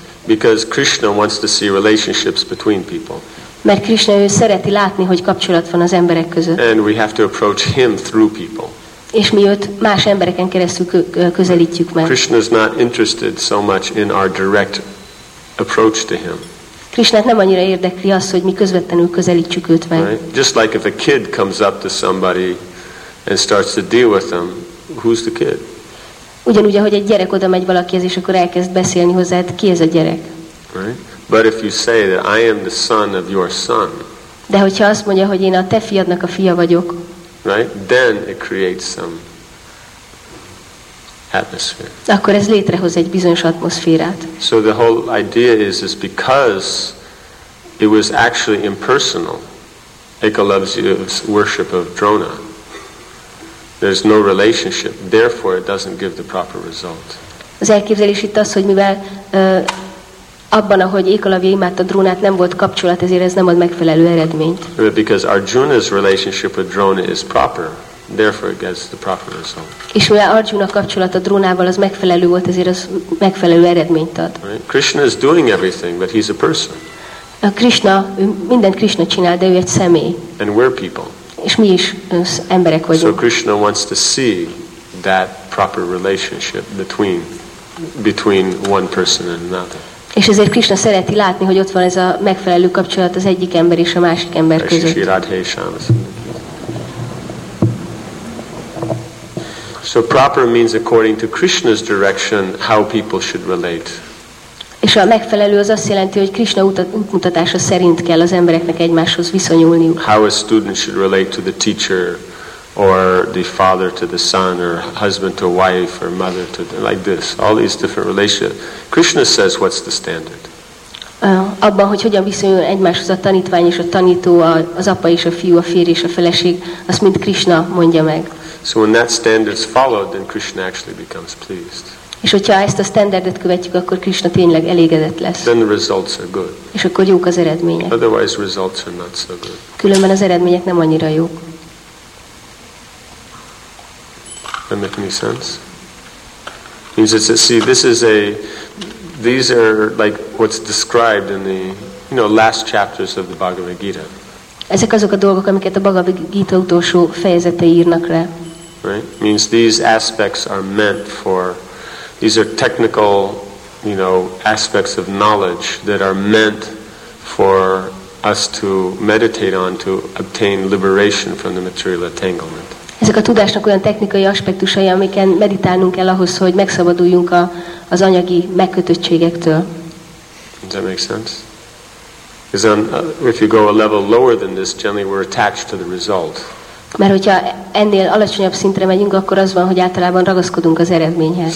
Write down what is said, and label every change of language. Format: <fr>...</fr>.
<en>Because Krishna wants to see relationships between people.</en> <hu>Mert Krishna ő szereti látni, hogy kapcsolat van az emberek között.</hu> <en>And we have to approach him through people.</en> <hu>És mi őt más embereken keresztül közelítjük meg.</hu> <en>Krishna is not interested so much in our direct approach to him.</en> <hu>Krishnát nem annyira érdekli az, hogy mi közvetlenül közelítjük őt meg.</hu> <en>Right? Just like if a kid comes up to somebody and starts to deal with them, who's the kid?</en> <hu>Ugyanúgy, ahogy egy gyerek oda megy valakihez, és akkor elkezd beszélni hozzád, ki ez a gyerek?</hu> <en>Right? But if you say that I am the son of your son.</en> <hu>De hogyha azt mondja, hogy én a te fiadnak a fia vagyok.</hu> <en>Right? Then it creates some atmosphere.</en> <hu>Akkor ez létrehoz egy bizonyos atmoszférát.</hu> <en>So the whole idea is because it was actually impersonal. Ekalavsya's worship of Drona. There's no relationship, therefore it doesn't give the proper result.</en> <hu>Az elképzelés itt az, hogy mivel abban, ahogy Ékalavja imádta Drónát, nem volt kapcsolat, ezért ez nem ad megfelelő eredményt.</hu> <en>Because Arjuna's relationship with Drona is proper, therefore it gets the proper result.</en> <hu>És mivel Arjuna kapcsolata Drónával az megfelelő volt, ezért az megfelelő eredményt ad.</hu> <en>Right? Krishna is doing everything, but he's a person.</en> <hu>A Krishna, mindent Krishna csinál, de ő egy személy.</hu> <en>And we're people.</en> <hu>És mi is emberek vagyunk.</hu> <en>So Krishna wants to see that proper relationship between one person and another.</en> <hu>És ezért Krishna szereti látni, hogy ott van ez a megfelelő kapcsolat az egyik ember és a másik ember között.</hu> <en>So proper means according to Krishna's direction how people should relate.</en> <hu>És a megfelelő az azt jelenti, hogy Krishna útmutatása szerint kell az embereknek egymáshoz viszonyulniuk.</hu> <en>How a student should relate to the teacher, or the father to the son, or husband to wife, or mother to the, like this. All these different relationships. Krishna says what's the standard.</en> <hu>Abban, hogy hogyan viszonyul egymáshoz a tanítvány és a tanító, az apa és a fiú, a férj és a feleség, azt mind Krishna mondja meg.</hu> <en>So when that standard is followed, then Krishna actually becomes pleased.</en> <hu>És hogyha ezt a standardet követjük, akkor Krishna tényleg elégedett lesz.</hu> <en>Then the results are good.</en> <hu>És akkor jók az eredmények.</hu> <en>Otherwise, results are not so good.</en> <hu>Különben az eredmények nem annyira jók.</hu> <en>That make any sense? Means it's a, see, this is a, these are like what's described in the, you know, last chapters of the Bhagavad Gita.</en> <hu>Ezek azok a dolgok, amiket a Bhagavad Gita utolsó fejezetei írnak le.</hu> <en>Right? Means these aspects are meant for. These are technical, you know, aspects of knowledge that are meant for us to meditate on to obtain liberation from the material entanglement.</en> <hu>Ezek a tudásnak olyan technikai aspektusai, amiken meditálnunk kell ahhoz, hogy megszabaduljunk az anyagi megkötöttségektől.</hu> <en>Does that make sense? Because if you go a level lower than this, generally we're attached to the result.</en> <hu>Mert hogyha ennél alacsonyabb szintre megyünk, akkor az van, hogy általában ragaszkodunk az eredményhez.</hu>